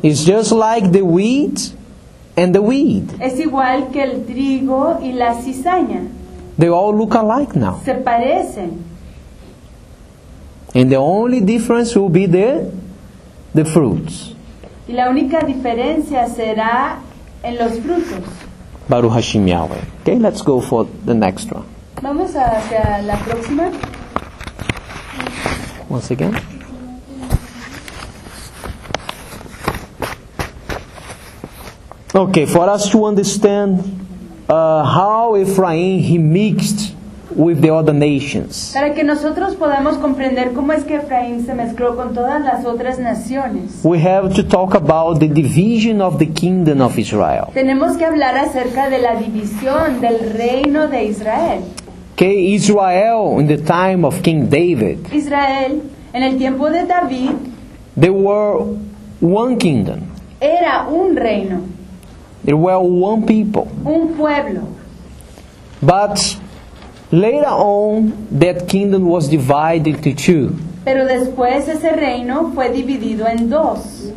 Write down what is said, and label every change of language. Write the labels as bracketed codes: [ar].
[en] It's just like the wheat and the weed. [es] Es igual que el trigo y la cizaña. [en] They all look alike now. [es] Se parecen. [en] And the only difference will be the fruits. [es] Y la única diferencia será en los frutos. [he] Baruch Hashem Yahweh. [en] Okay, let's go for the next one. [es] Vamos hacia la próxima. [en] Once again. Okay, for us to understand how Ephraim he mixed with the other nations. [es] Para que nosotros podamos comprender cómo es que Efraín se mezcló con todas las otras naciones. [en] We have to talk about the division of the kingdom of Israel. [es] Tenemos que hablar acerca de la división del reino de Israel. [en] Okay, Israel in the time of King David. [es] Israel en el tiempo de David. [en] They were one kingdom. [es] Era un reino. [en] They were one people. [es] Un pueblo. [en] But later on, that kingdom was divided into two. [es] Pero después ese reino fue dividido en dos.